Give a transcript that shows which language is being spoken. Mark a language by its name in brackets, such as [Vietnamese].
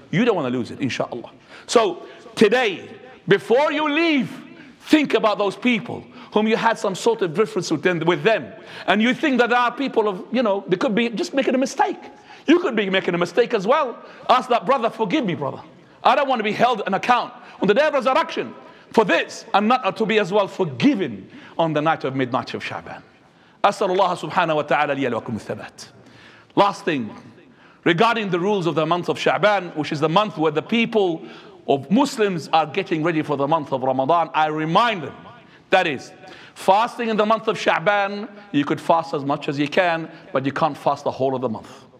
[English] You don't want to lose it, inshallah. So today, before you leave, think about those people whom you had some sort of difference with them. And you think that there are people of, you know, they could be just making a mistake. You could be making a mistake as well. Ask that brother, forgive me, brother. I don't want to be held an account on the day of resurrection for this. I'm not to be as well forgiven on the night of midnight of Sha'ban. [Arabic] أسأل الله سبحانه وتعالى لي لكم الثبات. [English] Last thing, regarding the rules of the month of Sha'ban, which is the month where the people of Muslims are getting ready for the month of Ramadan, I remind them, that is, fasting in the month of Sha'ban, you could fast as much as you can, but you can't fast the whole of the month.